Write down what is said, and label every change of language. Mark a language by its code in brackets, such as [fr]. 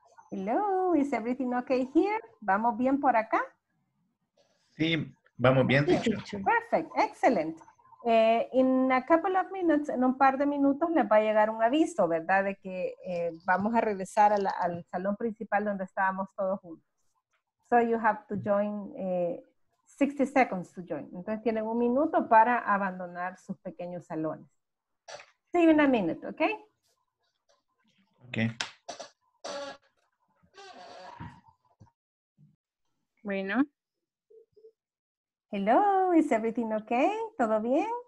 [en] Hello, is everything okay here? [es] ¿Vamos bien por acá? Sí, vamos bien. [en] Perfect, excellent. In a couple of minutes, [es] en un par de minutos, les va a llegar un aviso, ¿verdad? De que vamos a regresar al salón principal donde estábamos todos juntos. [en] So you have to join, 60 seconds to join. [es] Entonces tienen un minuto para abandonar sus pequeños salones. [en] See you in a minute, okay? Okay. [es] Bueno. [en] Hello, is everything okay? [es] ¿Todo bien?